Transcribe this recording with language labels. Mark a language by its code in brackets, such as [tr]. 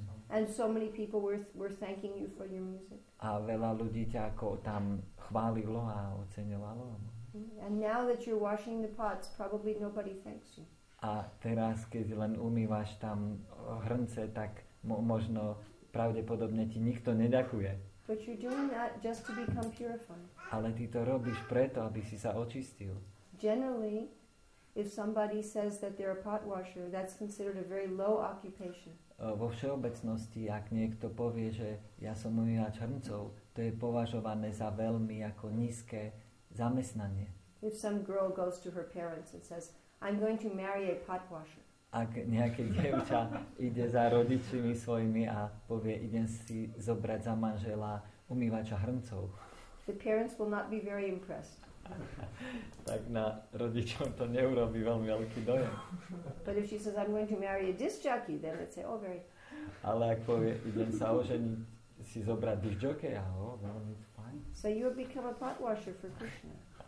[en] And so many people were thanking you for your music. [sk] A veľa ľudí ťa ako tam chválilo a oceňovalo. [en] And now that you're washing the pots, probably nobody thanks you. [sk] A teraz, keď len umývaš tam hrnce, tak možno pravdepodobne ti nikto neďakuje. [en] But you're doing that just to become purified. [sk] Ale ty to robíš preto, aby si sa očistil. [en] Generally, if somebody says that they're a pot washer, that's considered a very low occupation. [sk] Vo všeobecnosti, ak niekto povie, že ja som umývač hrncov, to je považované za veľmi ako nízke zamestnanie. [en] If some girl goes to her parents and says, I'm going to marry a pot washer. [sk] Ak nejaké dievča ide za rodičmi svojimi a povie, idem si zobrať za manžela umývača hrncov. [en] The parents will not be very impressed. [sk] Tak na rodičov to neurobí veľmi veľký dojem. [en] But if she says, I'm going to marry a disc jockey, then they'd say, oh, very. [sk] Ale ak povie, idem sa oženiť, si zobrať disc jockey, a oh, veľmi fajn. [en] So you have become a pot washer for Krishna.